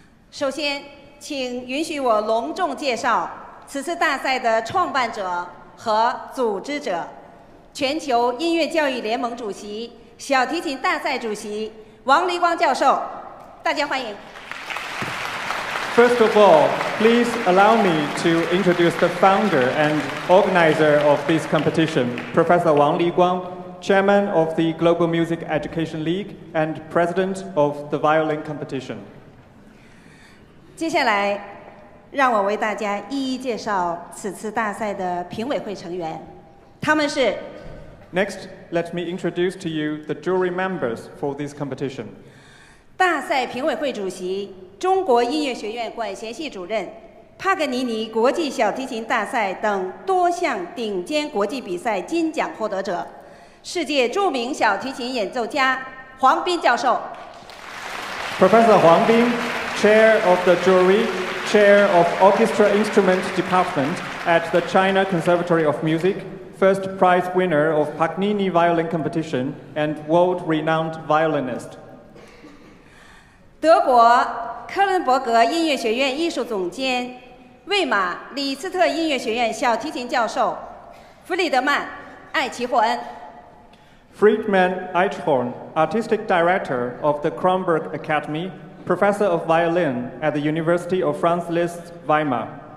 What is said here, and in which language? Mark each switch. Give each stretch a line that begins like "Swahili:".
Chinese: 首先，请允许我隆重介绍此次大赛的创办者和组织者，全球音乐教育联盟主席、小提琴大赛主席王黎光教授，大家欢迎。
English: First of all, please allow me to introduce the founder and organizer of this competition, Professor Wang Liguang, Chairman of the Global Music Education League and President of the Violin Competition.
Chinese: 接下来，让我为大家一一介绍此次大赛的评委会成员，他们是。
English: Next, let me introduce to you the jury members for this competition.
Chinese: 大赛评委会主席。中国音乐学院管弦系主任，帕格尼尼国际小提琴大赛等多项顶尖国际比赛金奖获得者，世界著名小提琴演奏家黄斌教授。
English: Professor 黄斌 Chair of the Jury, Chair of Orchestra Instrument Department at the China Conservatory of Music, First Prize Winner of Paganini Violin Competition and World Renowned Violinist.
Chinese: 德国科伦伯格音乐学院艺术总监，魏玛李斯特音乐学院小提琴教授，弗里德曼·艾奇霍恩。
English: Friedman Eichhorn, Artistic Director of the Kronberg Academy, Professor of Violin at the University of Franz Liszt, Weimar.